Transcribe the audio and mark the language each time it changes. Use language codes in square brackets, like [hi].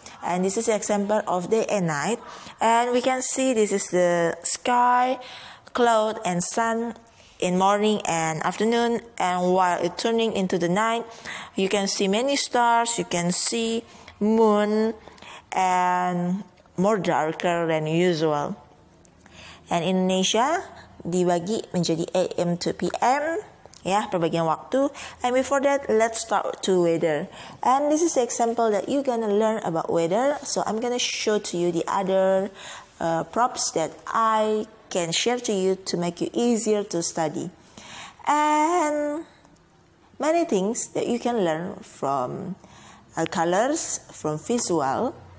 [en] And this is an example of day and night. And we can see this is the sky, cloud, and sun in morning and afternoon. And while it's turning into the night, you can see many stars, you can see moon, and more darker than usual. [id] And Indonesia dibagi menjadi AM to PM, perbagian waktu. [en] And before that, let's start to weather. And this is the example that you're gonna learn about weather. So I'm gonna show to you the other props that I can share to you to make you easier to study. And many things that you can learn from colors, from visual.